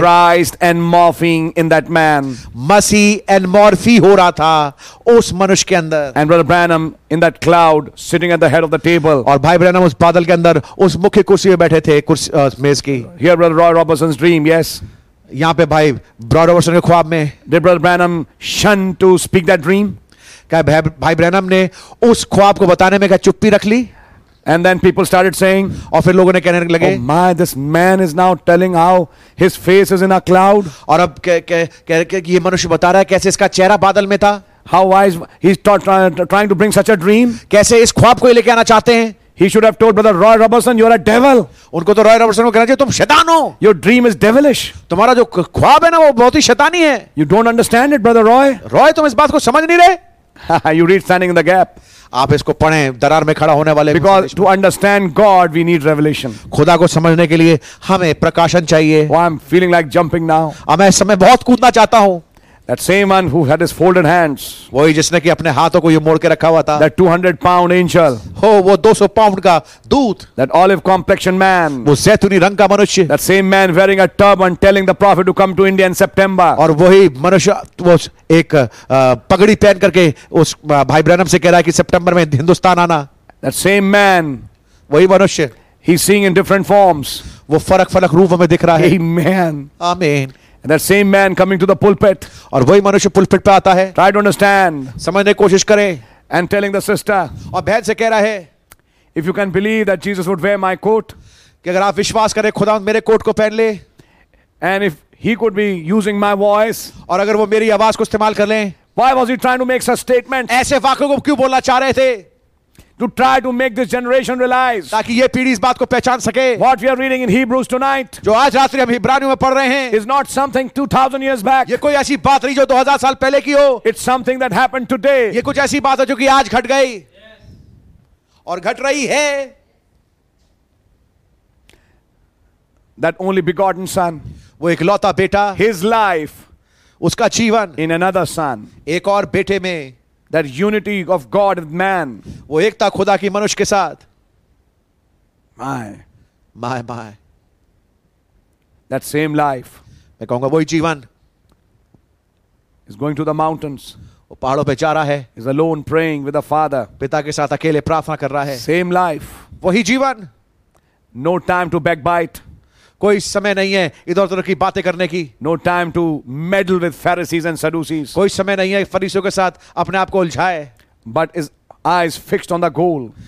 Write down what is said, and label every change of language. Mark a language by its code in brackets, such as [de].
[en] Christ and morphing in that man. [hi] Masih [en] and morphy [hi] हो रहा था उस मनुष्य के अंदर. [en] And brother Branham in that cloud sitting at the head of the table. [hi] और भाई ब्रैनम उस बादल के अंदर उस मुख्य कुर्सी पे बैठे थे. [en] Here, brother Roy Robertson's dream, yes. [hi] यहाँ पे भाई ब्रॉय रॉबर्टसन के ख्वाब में. [en] Did brother Branham shun to speak that dream? [hi] क्या भाई ब्रैनम ने उस ख्वाब को बताने में क्या चुप्पी रख ली? [en] And then people started saying, [hi] और फिर लोगों ने कहने लगे, [en] oh my, this man is now telling how his face is in a cloud. [hi] और अब कह रहे कि ये मनुष्य बता रहा है कैसे इसका चेहरा बादल में था. [en] How wise he's trying to bring such a dream. [hi] कैसे इस ख्वाब को लेके आना चाहते हैं. [en] He should have told brother Roy Robertson, you are a devil. [hi] उनको तो रॉय रॉबर्टसन को कहना चाहिए तुम शैतान हो. [en] Your dream is devilish. [hi] तुम्हारा जो ख्वाब है ना वो बहुत ही शैतानी है. [en] You don't understand it, brother Roy. [hi] Roy, तुम इस बात को समझ नहीं रहे. [en] You read standing in the gap. [hi] आप इसको पढ़ें दरार में खड़ा होने वाले. [en] Because to understand God, we need revelation. [hi] खुदा को समझने के लिए हमें प्रकाशन चाहिए. [en] Oh, I'm feeling like jumping now. [hi] मैं इस समय बहुत कूदना चाहता हूँ. [en] That same one who had his folded hands. [hi] वही जिसने कि अपने हाथों को ये मोड़ के रखा हुआ था. [en] That 200 pound angel. [hi] हो वो 200 pound का दूत. [en] That olive complexion man. [hi] वो जैतूनी रंग का मनुष्य. [en] That same man wearing a turban telling the prophet to come to India in September. [hi] और वही मनुष्य वो एक पगड़ी पहन करके उस भाई ब्रैनम से कह रहा है कि सितंबर में हिंदुस्तान आना. [en] That same man. [hi] वही मनुष्य. [en] He's seeing in different forms. [hi] वो फरक-फरक रूपों में दिख रहा है. [en] Amen. [hi] Amen. [en] And that same man coming to the pulpit. [hi] और वही मनुष्य पुलपिट पे आता है. [en] Try to understand. [hi] समझने की कोशिश करें. [en] And telling the sister. [hi] और बहन से कह रहा है. [en] If you can believe that Jesus would wear my coat. [hi] कि अगर आप विश्वास करें खुदा मेरे कोट को पहन ले. [en] And if he could be using my voice. [hi] और अगर वो मेरी आवाज को इस्तेमाल कर लें. [en] Why was he trying to make such statement? [hi] ऐसे वाक्य को क्यों बोलना चाह रहे थे? [en] To try to make this generation realize. [hi] ताकि ये पीढ़ी इस बात को पहचान सके. [en] What we are reading in Hebrews tonight. [hi] जो आज रात्रि हम हिब्रानियों में पढ़ रहे हैं. [en] Is not something 2000 years back. [hi] ये कोई ऐसी बात नहीं जो 2000 साल पहले की हो. [en] It's something that happened today. [hi] ये कुछ ऐसी बात है जो कि आज घट गई. और घट रही है. [en] That only begotten son. [hi] वो इकलौता बेटा. [en] His life. [hi] उसका जीवन. [en] In another son. [hi] एक और बेटे में. [en] That unity of God with man. [hi] वो एकता खुदा की मनुष्य के साथ. [en] My, my, my. That same life. [hi] मैं कहूँगा वही जीवन. [en] Is going to the mountains. [hi] वो पहाड़ों पे जा रहा है. [en] Is alone praying with the Father. [hi] पिता के साथ अकेले प्रार्थना कर रहा है. [en] Same life. [hi] वही जीवन. [en] No time to backbite. [hi] कोई समय नहीं है इधर उधर की बातें करने की. [en] No time to meddle with Pharisees and Sadducees. [hi] कोई समय नहीं है फरीसियों के साथ अपने आप को उलझाए. [en] But his eyes fixed on the goal.